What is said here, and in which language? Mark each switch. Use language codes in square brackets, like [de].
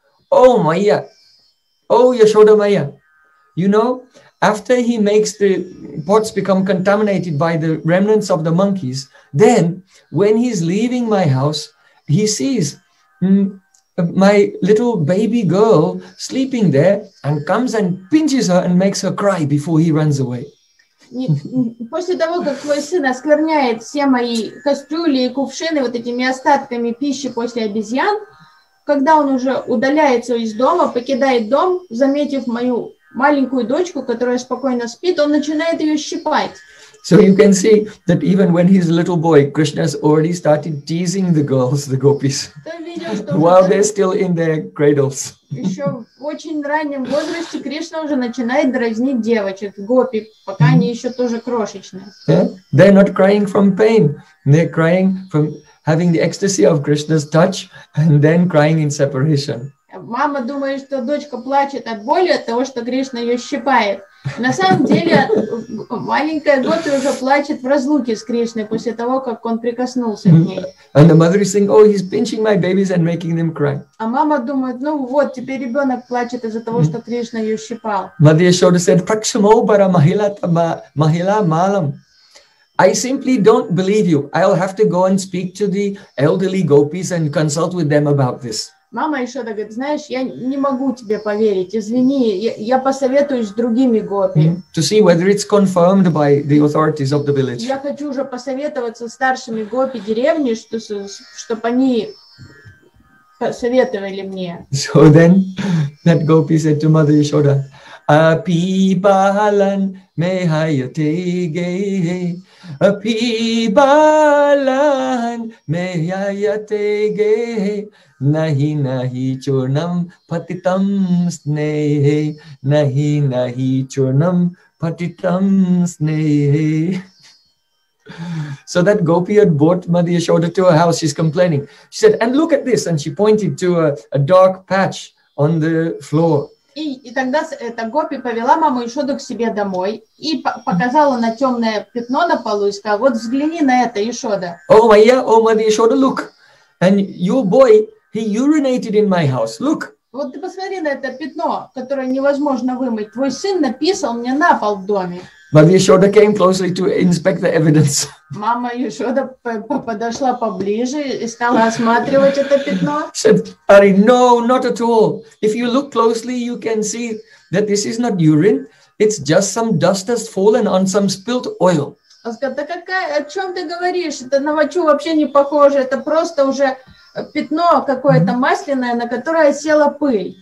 [en] Oh Maya, oh Yashoda Maya, you know, after he makes the pots become contaminated by the remnants of the monkeys, then when he's leaving my house, he sees my little baby girl sleeping there and comes and pinches her and makes her cry before he runs away. [ru] После того, как твой сын оскверняет все мои кастрюли и кувшины вот этими остатками пищи после обезьян, когда он уже удаляется из дома, покидает дом, заметив мою маленькую дочку, которая спокойно спит, он начинает ее щипать. [en] So you can see that even when he's a little boy, Krishna's already started teasing the girls, the gopis, while they're still in their cradles. [ru] Еще в очень раннем возрасте Кришна уже начинает дразнить девочек, гопи, пока они еще тоже крошечные. [en] They're not crying from pain. They're crying from having the ecstasy of Krishna's touch and then crying in separation. [ru] Мама думает, что дочка плачет от боли от того, что Кришна ее щипает. На самом деле, маленькая гопи уже плачет в разлуке с Кришной после того, как он прикоснулся к ней. [en] And the mother is saying, oh, he's pinching my babies and making them cry. [ru] А мама думает, ну вот, теперь ребенок плачет из-за того, что Кришна ее щипал. [sa] Мадхи Яшода said, Prakshamobara Mahila Malam. [en] I simply don't believe you. I'll have to go and speak to the elderly gopis and consult with them about this. [ru] Мама еще так говорит, знаешь, я не могу тебе поверить, извини, я посоветуюсь с другими гопи. [en] To see whether it's confirmed by the authorities of the village. [ru] Я хочу уже посоветоваться с старшими гопи деревни, чтобы они посоветовали мне. [en] So then that gopi said to Mother Yashoda, [sa] Api balan mehayate gehe, Api balan mehayate gehe, Nahi nahi churnam patitam snehe, [en] Nahi nahi churnam patitam snehe. So that gopi had brought Mother Yashoda to her house. She's complaining. She said, and look at this. And she pointed to a dark patch on the floor. [ru] И тогда эта гопи повела маму Ишоду к себе домой и показала на темное пятно на полу и сказала, вот взгляни на это, Ишода. [en] Oh, my, yeah, oh, Mother Yashoda, look. And your boy, he urinated in my house. Look. [ru] Вот ты посмотри на это пятно, которое невозможно вымыть. Твой сын написал мне на пол в доме. [en] Mother Yashoda came closely to inspect the evidence. [ru] Мама Ишода подошла поближе и стала осматривать это пятно. [en] She said, Ari, no, not at all. If you look closely, you can see that this is not urine. It's just some dust has fallen on some spilt oil. [ru] Она сказала, да какая, о чем ты говоришь? Это на мочу вообще не похоже. Это просто уже пятно какое-то масляное, на которое села пыль.